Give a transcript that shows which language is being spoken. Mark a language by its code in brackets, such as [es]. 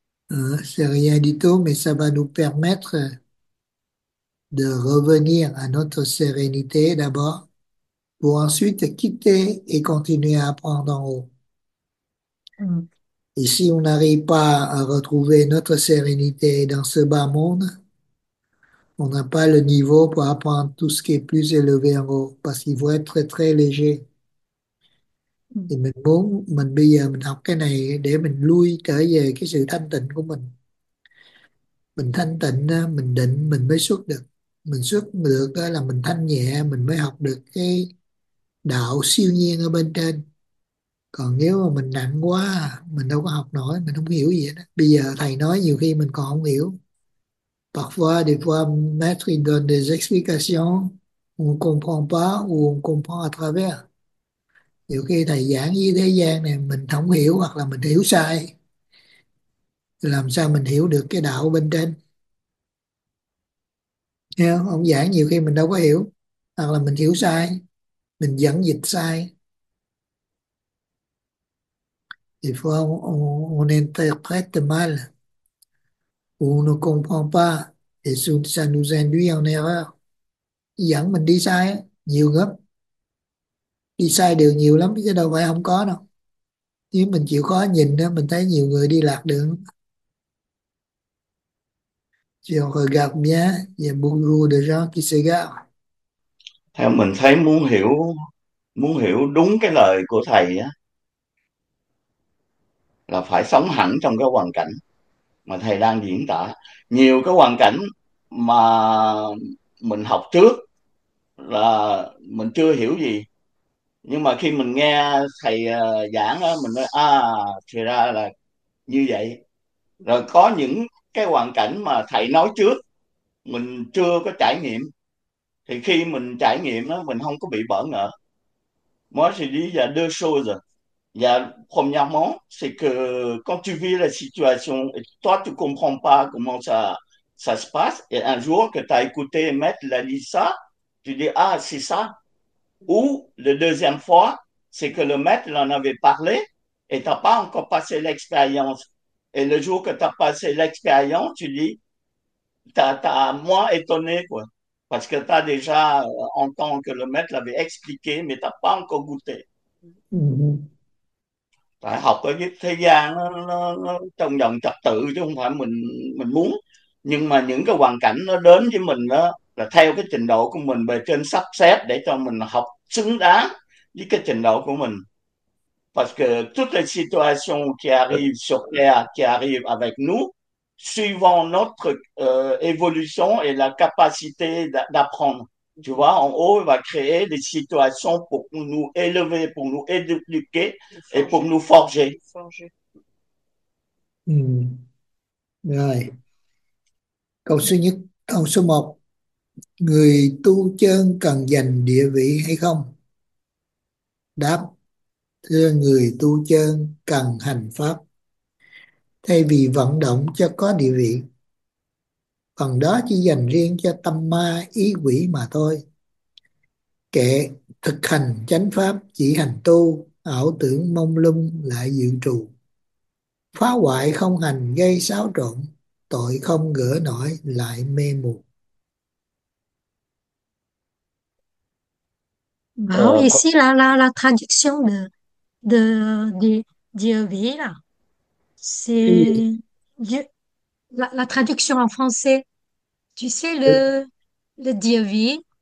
[fr] C'est rien du tout, mais ça va nous permettre de revenir à notre sérénité d'abord, pour ensuite quitter et continuer à apprendre en haut. Et si on n'arrive pas à retrouver notre sérénité dans ce bas monde, on n'a pas le niveau pour apprendre tout ce qui est plus élevé en haut, parce qu'il faut être très, très léger. [vi] Thì mình muốn mình bây giờ mình học cái này để mình lui trở về cái sự thanh tịnh của mình. Mình thanh tịnh, mình định mình mới xuất được. Mình xuất được là mình thanh nhẹ, mình mới học được cái đạo siêu nhiên ở bên trên. Còn nếu mà mình nặng quá, mình đâu có học nổi, mình không hiểu gì hết. Bây giờ thầy nói nhiều khi mình còn không hiểu. [fr] Parfois, des fois, maître donne des explications, on comprend pas, ou on comprend à travers. [vi] Nhiều khi thầy giảng với thế gian này mình không hiểu hoặc là mình hiểu sai. Làm sao mình hiểu được cái đạo bên trên? Nghe không? Ông giảng nhiều khi mình đâu có hiểu. Hoặc là mình hiểu sai. Mình dẫn dịch sai. [fr] Il faut on interprète mal. On ne comprend pas. Et ça nous induit en erreur. [vi] Dẫn mình đi sai. Nhiều gấp. Đi sai đường nhiều lắm chứ đâu phải không có đâu. Nếu mình chịu khó nhìn đó, mình thấy nhiều người đi lạc đường. [fr] Si on regarde bien, il y a beaucoup de gens qui s'égarent. [vi] Theo mình thấy muốn hiểu đúng cái lời của thầy á là phải sống hẳn trong cái hoàn cảnh mà thầy đang diễn tả. Nhiều cái hoàn cảnh mà mình học trước là mình chưa hiểu gì, nhưng mà khi mình nghe thầy giảng á, mình nói à thì ra là như vậy. Rồi có những cái hoàn cảnh mà thầy nói trước mình chưa có trải nghiệm, thì khi mình trải nghiệm đó mình không có bị bỡ ngỡ. [fr] Moi je dis il y a deux choses. [vi] Và [fr] premièrement, c'est que quand tu vis la situation, toi tu comprends pas comment ça se passe, et un jour que tu as écouté Maître Lalisa, tu dis ah, c'est ça. Ou la deuxième fois, c'est que le maître l'en avait parlé et tu n'as pas encore passé l'expérience. Et le jour que tu as passé l'expérience, tu dis, t'as moins étonné, quoi. Parce que tu as déjà, en tant que le maître l'avait expliqué, mais tu n'as pas encore goûté. [vi] phải học cái thế gian nó trong vòng trật tự chứ không phải mình muốn, nhưng mà những cái hoàn cảnh nó đến với mình đó là theo cái trình độ của mình bề trên sắp xếp để cho mình học xứng đáng với cái trình độ của mình. [fr] Parce que toutes les situations qui arrivent sur Terre, qui arrivent avec nous, suivant notre évolution et la capacité d'apprendre. Tu vois, en haut, il va créer des situations pour nous élever, pour nous éduquer et pour nous forger. Forger. [vi] Rồi. Câu số nhất, câu số 1. Người tu chân cần giành địa vị hay không? Đáp: thưa người tu chân cần hành pháp thay vì vận động cho có địa vị. Phần đó chỉ dành riêng cho tâm ma ý quỷ mà thôi. Kẻ thực hành chánh pháp chỉ hành tu, ảo tưởng mông lung lại dự trù. Phá hoại không hành gây xáo trộn, tội không gỡ nổi lại mê mù. Bảo ý sĩ là [fr] traduction de Dieu vi là c'est Dieu la traduction en français tu sais le Dieu vi